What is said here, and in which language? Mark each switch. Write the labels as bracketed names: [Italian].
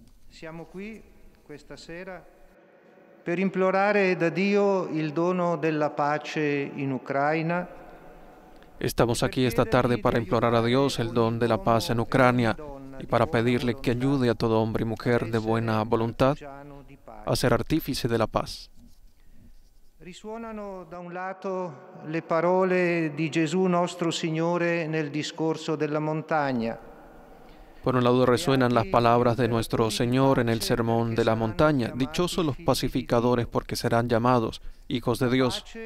[Italian] Siamo qui questa sera per implorare da Dio il dono della pace in Ucraina. [Spanish] Estamos aquí esta tarde para implorar a Dios el don de la paz en Ucrania y para pedirle que ayude a todo hombre y mujer de buena voluntad a ser artífice de la paz. [Italian] Risuonano da un lato le parole di Gesù nostro Signore nel discorso della montagna. [Spanish] Por un lado resuenan las palabras de nuestro Señor en el sermón de la montaña. Dichosos los pacificadores porque serán llamados hijos de Dios.